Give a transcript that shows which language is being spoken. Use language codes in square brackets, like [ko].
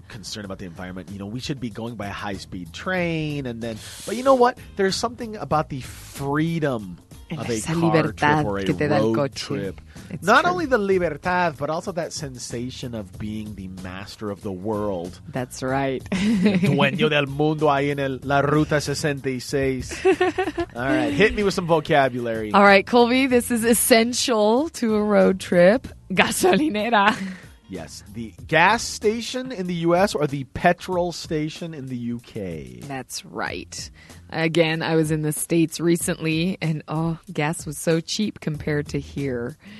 [en] who concerned about the environment, you know, we should be going by a high-speed train and then... But you know what? There's something about the freedom of a car trip or a road trip. It's not true. Only the libertad, but also that sensation of being the master of the world. That's right. [es] Dueño del mundo ahí en la ruta 66. [en] All right, hit me with some vocabulary. All right, Colby, this is essential to a road trip. [es] Gasolinera. [en] Yes, the gas station in the U.S. or the petrol station in the U.K. That's right. Again, I was in the States recently, and oh, gas was so cheap compared to here.